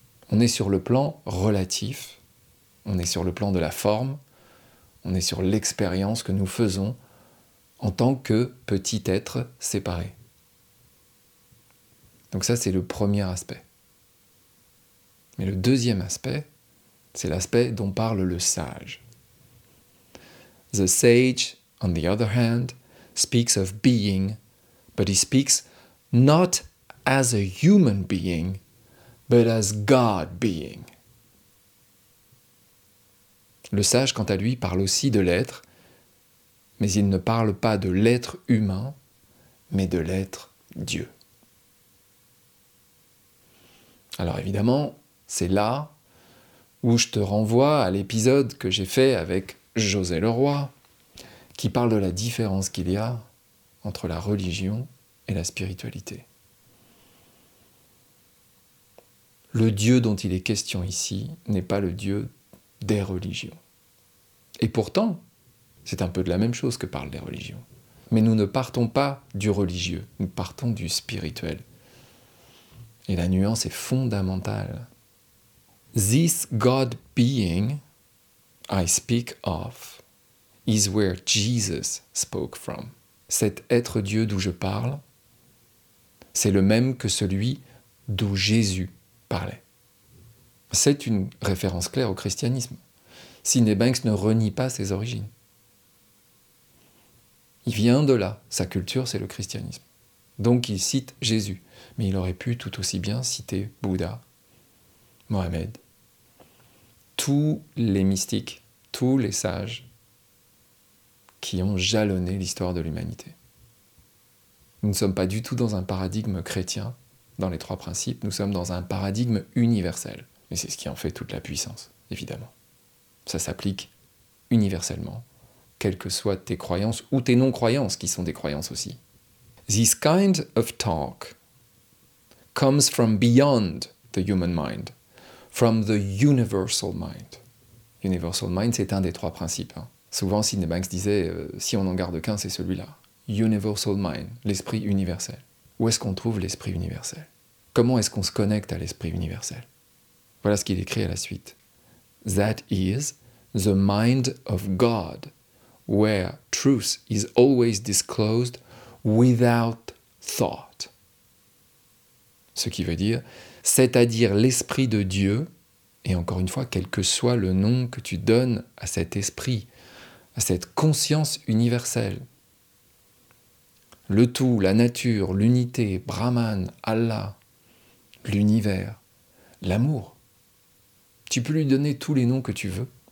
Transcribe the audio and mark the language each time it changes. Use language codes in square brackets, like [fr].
[fr] On est sur le plan relatif, on est sur le plan de la forme, on est sur l'expérience que nous faisons en tant que petit être séparé. Donc ça, c'est le premier aspect. Mais le deuxième aspect, c'est l'aspect dont parle le sage. [en] The sage, on the other hand, speaks of being, but he speaks not as a human being, but as God being. [fr] Le sage, quant à lui, parle aussi de l'être, mais il ne parle pas de l'être humain, mais de l'être Dieu. Alors évidemment, c'est là où je te renvoie à l'épisode que j'ai fait avec José Leroy, qui parle de la différence qu'il y a entre la religion et la spiritualité. Le Dieu dont il est question ici n'est pas le Dieu des religions. Et pourtant, c'est un peu de la même chose que parlent les religions. Mais nous ne partons pas du religieux, nous partons du spirituel. Et la nuance est fondamentale. [en] This God being I speak of is where Jesus spoke from. [fr] Cet être Dieu d'où je parle, c'est le même que celui d'où Jésus parlait. C'est une référence claire au christianisme. Sidney Banks ne renie pas ses origines. Il vient de là, sa culture c'est le christianisme. Donc il cite Jésus, mais il aurait pu tout aussi bien citer Bouddha, Mohammed. Tous les mystiques, tous les sages qui ont jalonné l'histoire de l'humanité. Nous ne sommes pas du tout dans un paradigme chrétien, dans les trois principes, nous sommes dans un paradigme universel. Et c'est ce qui en fait toute la puissance, évidemment. Ça s'applique universellement, quelles que soient tes croyances ou tes non-croyances, qui sont des croyances aussi. [en] This kind of talk comes from beyond the human mind, from the universal mind. [fr] Universal mind, c'est un des trois principes. Hein. Souvent, Sidney Banks disait, si on n'en garde qu'un, c'est celui-là. Universal mind, l'esprit universel. Où est-ce qu'on trouve l'esprit universel? Comment est-ce qu'on se connecte à l'esprit universel? Voilà ce qu'il écrit à la suite. [en] That is the mind of God, where truth is always disclosed without thought. [fr] Ce qui veut dire, c'est-à-dire l'esprit de Dieu, Et encore une fois, quel que soit le nom que tu donnes à cet esprit, à cette conscience universelle, le tout, la nature, l'unité, Brahman, Allah, l'univers, l'amour, tu peux lui donner tous les noms que tu veux.